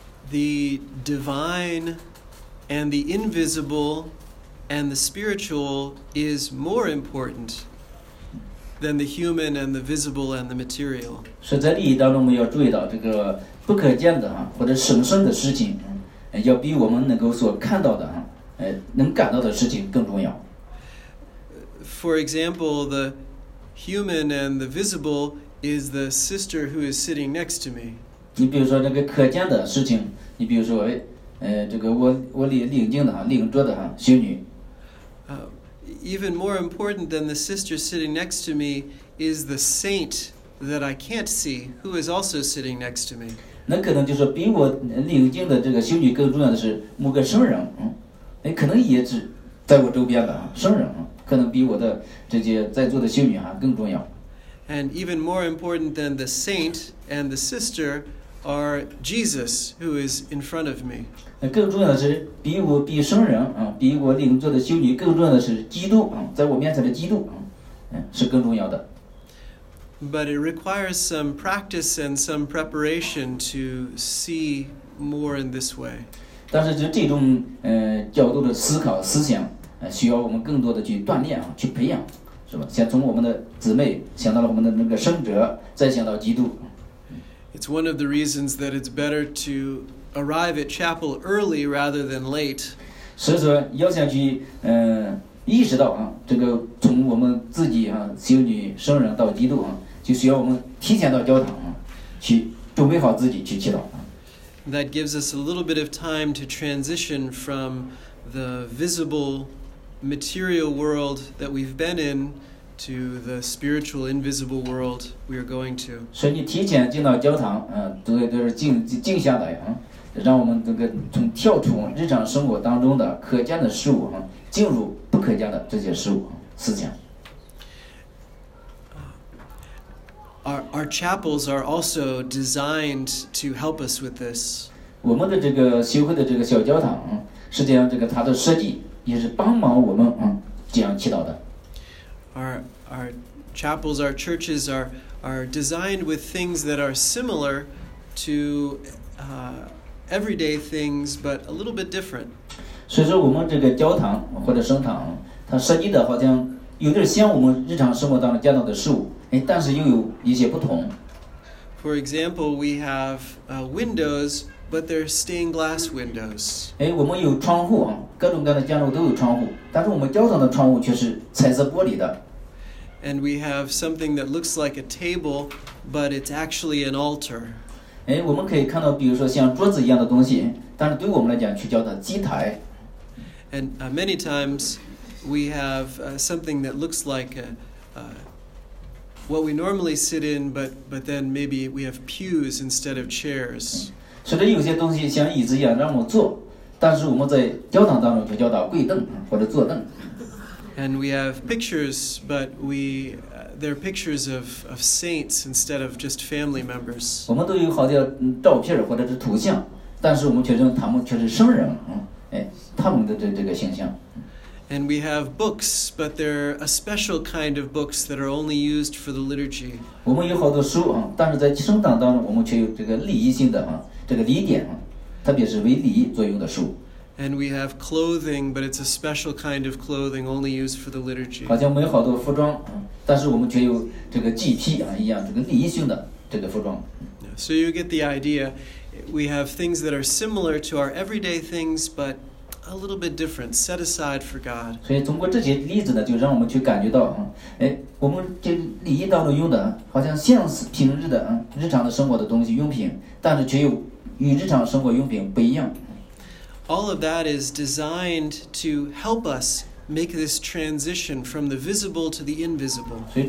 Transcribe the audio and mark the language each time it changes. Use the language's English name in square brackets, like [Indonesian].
[English] The divine and the invisible and the spiritual is more important than the human and the visible and the material. [Chinese] 所以在礼仪当中，我们要注意到这个不可见的或者神圣的事情，要比我们能够所看到的能感到的事情更重要。 [English] For example, the human and the visible is the sister who is sitting next to me. [Chinese] 你比如说那个可见的事情，你比如说这个我领桌的修女。 [English] Even more important than the sister sitting next to me is the saint that I can't see, who is also sitting next to me. [Chinese] 那可能就是比我领进的这个修女更重要的是某个圣人，可能也只在我周边的圣人可能比我的这些在座的修女啊更重要。 [English] And even more important than the saint and the sister are Jesus, who is in front of me. [Chinese] 更重要的是比圣人啊，比我领座的修女更重要的是基督啊，在我面前的基督啊，是更重要的。 [English] But it requires some practice and some preparation to see more in this way. [Chinese] 但是就这种角度的思考思想，需要我们更多的去锻炼啊，去培养。是吧？先从我们的姊妹想到了我们的那个圣者，再想到基督。 [English] It's one of the reasons that it's better to arrive at chapel early rather than late. [Chinese] 所以说，要想去意识到啊，这个从我们自己啊修女圣人到基督啊，就需要我们提前到教堂啊，去准备好自己去祈祷啊。 [English] That gives us a little bit of time to transition from the visible. Material world that we've been in to the spiritual invisible world we are going to. [Chinese] 所以你提前进到教堂，都是静下来啊，让我们这个从跳出日常生活当中的可见的事物啊，进入不可见的这些事物思想。 [English] Our chapels are also designed to help us with this. [Chinese] 我们的这个修会的这个小教堂，实际上这个它的设计。也是帮忙我们这样祈祷的。 [English] Our chapels, our churches are designed with things that are similar to everyday things, but a little bit different. [Chinese] 所以说，我们这个教堂或者圣堂，它设计的好像有点像我们日常生活当中见到的事物，但是又有一些不同。 [English] For example, we have windows. But they're stained glass windows. [Chinese] 我们有窗户啊，各种各样的建筑都有窗户，但是我们教堂的窗户却是彩色玻璃的。 [English] And we have something that looks like a table, but it's actually an altar. [Chinese] 我们可以看到，比如说像桌子一样的东西，但是对我们来讲却叫它祭台。 [English] And many times we have something that looks like what we normally sit in, but then maybe we have pews instead of chairs. [Chinese] 所以有些东西像椅子一样让我坐，但是我们在教堂当中就叫它跪凳或者坐凳。 [English] And we have pictures, but they're pictures of saints instead of just family members. [Chinese] 我们都有好些照片或者是图像，但是我们却认他们却是圣人，他们的这个形象。 [English] And we have books, but they're a special kind of books that are only used for the liturgy. [Chinese] 我们有好多书啊，但是在圣堂当中我们却有这个礼仪性的啊。这个礼典，特别是为礼作用的书。 [English] And we have clothing, but it's a special kind of clothing only used for the liturgy. [Chinese] 好像没有好多服装，但是我们却有这个祭披啊一样，这个礼仪性的这个服装。 [English] So you get the idea. We have things that are similar to our everyday things, but a little bit different, set aside for God. [Chinese] 所以通过这些例子呢，就让我们去感觉到，我们这礼仪当中用的，好像像是平日的日常的生活的东西用品，但是却有。与日常生活用品不一样。 [English] All of that is designed to help us make this transition from the visible to the invisible.